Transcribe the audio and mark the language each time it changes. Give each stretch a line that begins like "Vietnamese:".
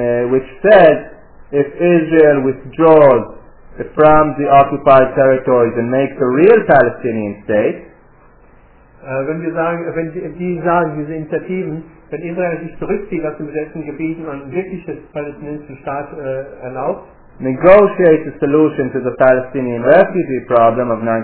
English: Which says, if Israel withdraws from the occupied territories and makes a real Palestinian state.
German: Wenn die sagen, diese Initiativen, wenn Israel sich zurückzieht aus den besetzten Gebieten und ein wirkliches palästinensischen Staat erlaubt.
English: Negotiate a solution to the Palestinian refugee problem of